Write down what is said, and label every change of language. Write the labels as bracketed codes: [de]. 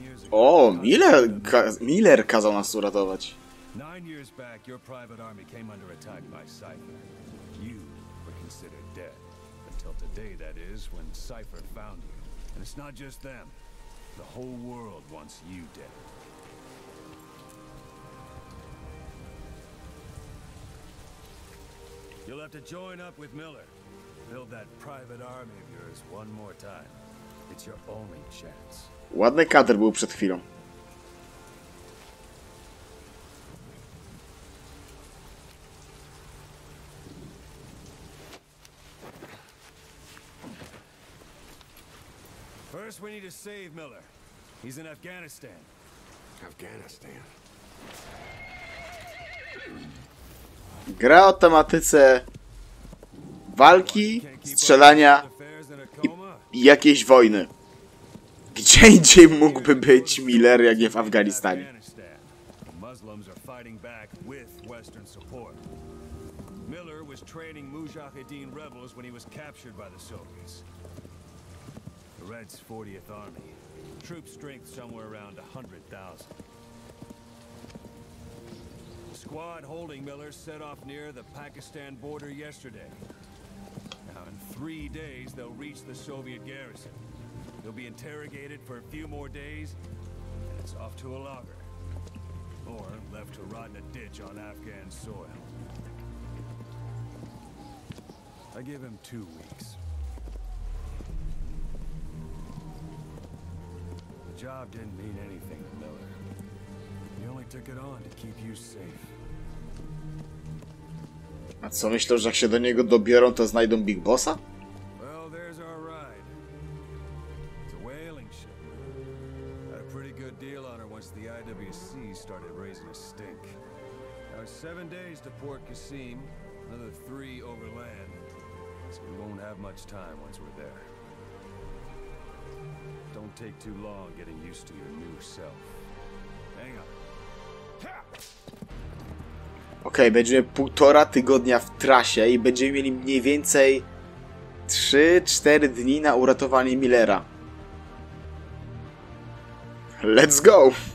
[pl] O, Miller kazał nas uratować. [en] 9 years back your private army came under attack by Cypher. You were considered dead until today, that is, when Cypher found you. And it's not just them. The whole world wants you dead. You'll have to join up with Miller. Build that private army of yours one more time. It's your only chance. [pl] Ładny kadr był przed chwilą. [en] First we need to save Miller. He's in Afghanistan. Afghanistan. [pl] Gra o tematyce walki, strzelania i jakiejś wojny. Gdzie indziej mógłby być Miller, jak nie w Afganistanie? [en] Muslims are fighting back with Western support. Miller was training Mujahideen rebels when he was captured by the Soviets. The Reds 40th Army. Troop strength somewhere around 100,000. Squad holding Miller set off near the Pakistan border yesterday. Now in 3 days they'll reach the Soviet garrison. They'll be interrogated for a few more days, and it's off to a lager. Or left to rot in a ditch on Afghan soil. I give him 2 weeks. The job didn't mean anything to Miller. He only took it on to keep you safe. [pl] A co myślą, że jak się do niego dobiorą, to znajdą Big Bossa? [en] Well, there's our ride. It's a whaling ship. Had a pretty good deal on her once the IWC started raising a stink. Now 7 days to Port Cassim, another 3 overland. So we won't have much time once we're there. Don't take too long getting used to your new self. Hang on. [pl] Okej, okay, będziemy 1,5 tygodnia w trasie i będziemy mieli mniej więcej 3-4 dni na uratowanie Millera. [en] Let's go!